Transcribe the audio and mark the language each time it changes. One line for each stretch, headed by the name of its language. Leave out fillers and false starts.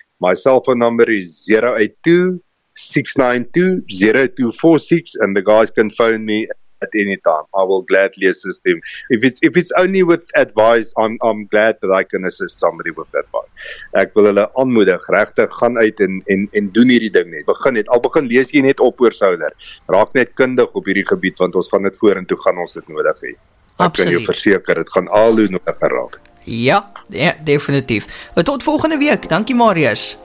English: My cell phone number is 082-692-0246, and the guys can phone me at any time. I will gladly assist them. If it's only with advice, I'm glad that I can assist somebody with that part.
Afrikaans: Ek wil hulle aanmoedig, regtig, gaan uit en doen hierdie ding net. Begin lees jy net op oor solar. Raak net kundig op hierdie gebied, want ons gaan dit vorentoe gaan ons dit nodig hê. Absoluut. Ek kan jou verseker, dit gaan al hoe nodig geraak. Ja, definitief. Tot volgende week. Dankie Marius.